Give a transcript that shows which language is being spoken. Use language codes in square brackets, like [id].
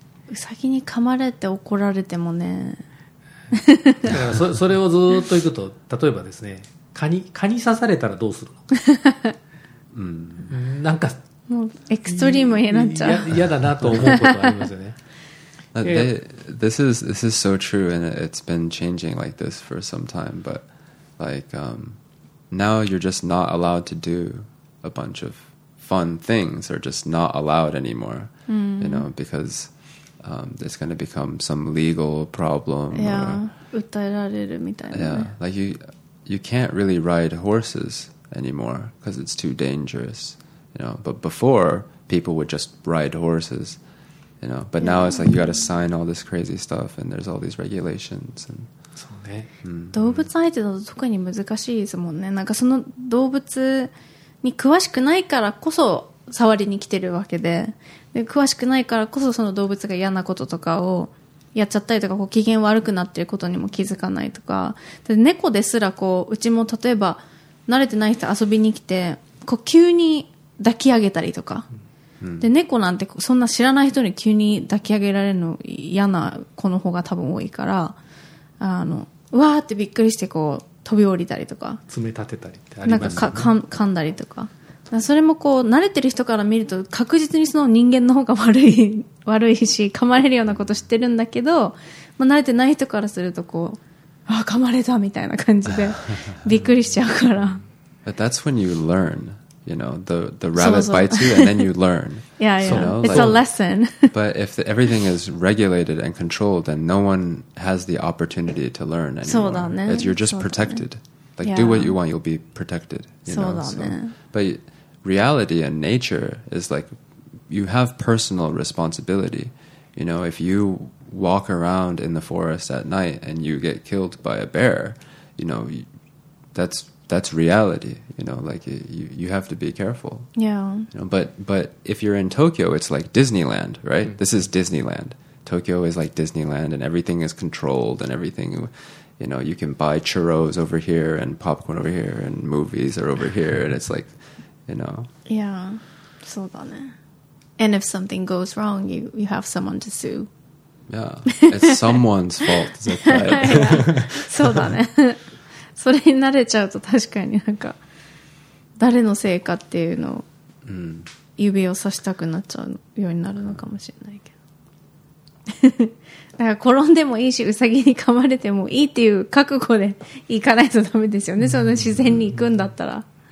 [ja] うさぎに噛まれて怒られてもね、だから それをずっと行くと例えばですね蚊に刺されたらどうするのか、うん、なんかもうエクストリームになっちゃう、嫌だなと思うことありますよね。 [en] This is so true and it's been changing like this for some time, but like now you're just not allowed to do a bunch of fun things or just not allowed anymore、 [ja] うん、 [en] you know, becauseit's going to become some legal problem. Yeah, or, [ja] 訴えられるみたいな、ね、 [en] yeah, like you can't really ride horses anymore because it's too dangerous, you know. But before, people would just ride horses, you know. But、yeah. now it's like you got to sign all this crazy stuff and there's all these regulations. And, [ja] そうね、うん。動物相手だと特に難しいですもんね。なんかその動物に詳しくないからこそ触りに来てるわけで。で詳しくないからこそその動物が嫌なこととかをやっちゃったりとかこう機嫌悪くなっていることにも気づかないとか、で猫ですらこううちも例えば慣れてない人遊びに来てこう急に抱き上げたりとか、で猫なんてそんな知らない人に急に抱き上げられるの嫌な子の方が多分多いから、うわーってびっくりしてこう飛び降りたりとか爪立てたりってありますよね、なんか噛んだりとか、それもこう慣れてる人から見ると確実にその人間の方が悪いし噛まれるようなこと知ってるんだけど、まあ、慣れてない人からするとこう噛まれたみたいな感じでびっくりしちゃうから。 [en] But that's when you learn, you know, the rabbit bites you and then you learn. Yeah, yeah. You know, it's a lesson. But if everything is regulated and controlled, then no one has the opportunity to learn anymore. [ja] そうだね。 [en] You're just protected. Like, yeah. Do what you want, you'll be protected. You [ja] そうだね。 [en] ButReality and nature is like you have personal responsibility. You know, if you walk around in the forest at night and you get killed by a bear, you know, that's reality. You know, like you have to be careful. Yeah. You know, but if you're in Tokyo, it's like Disneyland, right? Mm-hmm. This is Disneyland. Tokyo is like Disneyland and everything is controlled and everything... You know, you can buy churros over here and popcorn over here and movies are over here and it's like, you know. [ja] Yeah, そうだね。 [en] And if something goes wrong, you have someone to sue. Yeah, it's someone's fault, is that right? [ja] そうだね。それに慣れちゃうと確かになんか誰のせいかっていうのを指を刺したくなっちゃうようになるのかもしれないけど。だから転んでもいいしウサギに噛まれてもいいっていう覚悟で行かないとダメですよね、その自然に行くんだったら。